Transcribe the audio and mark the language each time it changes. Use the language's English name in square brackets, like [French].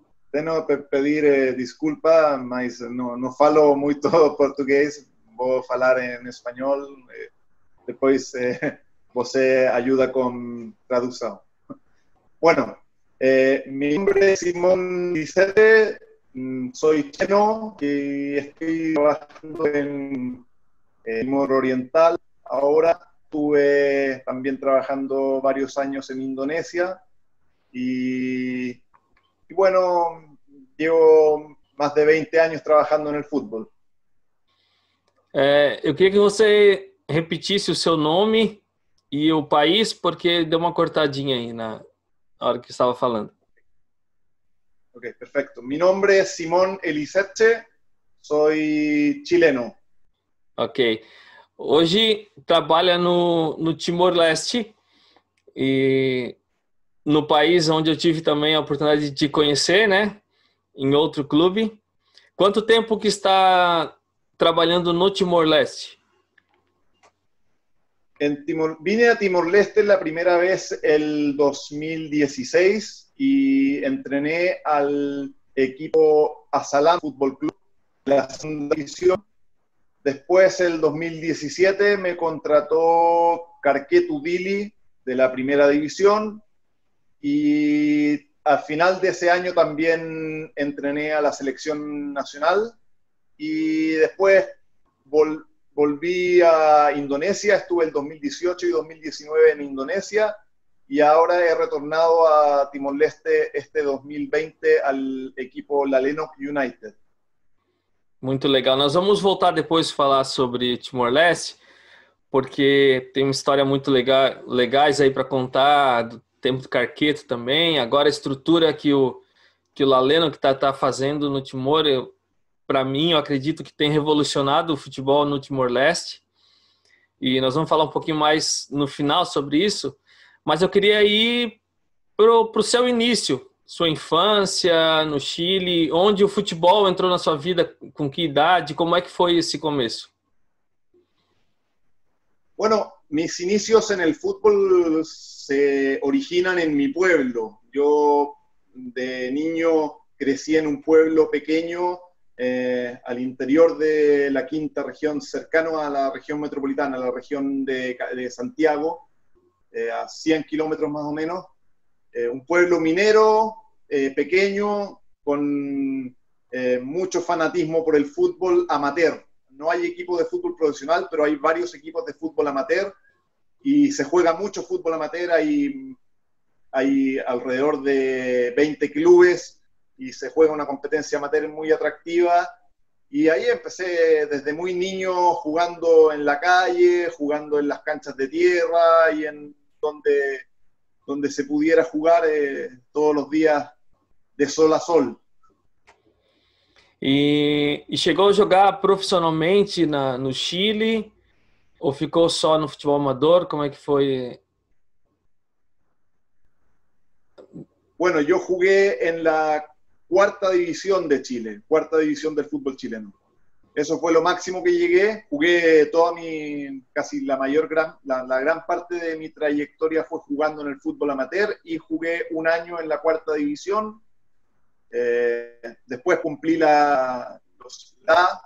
[Portuguese] Tenho que pedir desculpa, mas não falo muito português. Vou falar em espanhol. Depois você ajuda com tradução. Bueno, meu nome é Simón Dicete. [Spanish] Soy chino y estoy trabajando en Timor Oriental. Ahora estuve también trabajando varios años en Indonesia y bueno, llevo más de 20 años trabajando en el fútbol. [Portuguese] Eu queria que você repetisse o seu nome e o país, porque deu uma cortadinha aí na hora que estava falando. [Spanish] Ok, perfecto. Mi nombre es Simón Eliseche, soy chileno. Ok. [Portuguese] Hoje trabalha no Timor-Leste, e no país onde eu tive também a oportunidade de te conhecer, né? Em outro clube. Quanto tempo que está trabalhando no Timor-Leste? [Spanish] Vine a Timor-Leste la primera vez el 2016 y entrené al equipo Asalam Fútbol Club, la segunda división. Después, el 2017, me contrató Carqué Tudili de la primera división y al final de ese año también entrené a la selección nacional y después volví a Indonesia, estuve el 2018 y 2019 en Indonesia y ahora he retornado a Timor-Leste este 2020 al equipo Lalenok United. [Portuguese] Muito legal. Nós vamos voltar depois falar sobre Timor-Leste, porque tem uma história muito legais aí para contar, do tempo do Carqueto também, agora a estrutura que o Lalenok que tá fazendo no Timor. Para mim, eu acredito que tem revolucionado o futebol no Timor-Leste. E nós vamos falar um pouquinho mais no final sobre isso. Mas eu queria ir pro seu início, sua infância no Chile, onde o futebol entrou na sua vida, com que idade, como é que foi esse começo? [Spanish] Bueno, mis inicios en el fútbol se originan en mi pueblo. Yo, de niño, crecí en un pueblo pequeño, al interior de la quinta región, cercano a la región metropolitana, a la región de Santiago, a 100 kilómetros más o menos, un pueblo minero, pequeño, con mucho fanatismo por el fútbol amateur. No hay equipo de fútbol profesional, pero hay varios equipos de fútbol amateur y se juega mucho fútbol amateur. Hay alrededor de 20 clubes y se juega una competencia amateur muy atractiva. Y ahí empecé desde muy niño jugando en la calle, jugando en las canchas de tierra y en donde se pudiera jugar todos los días de sol a sol. [Portuguese] E chegou a jogar profissionalmente no Chile ou ficou só no futebol amador? Como é que foi? [Spanish] Bueno, yo jugué en la cuarta división de Chile, cuarta división del fútbol chileno. Eso fue lo máximo que llegué. Jugué toda mi, casi la mayor, la gran parte de mi trayectoria fue jugando en el fútbol amateur y jugué un año en la cuarta división. Después cumplí la velocidad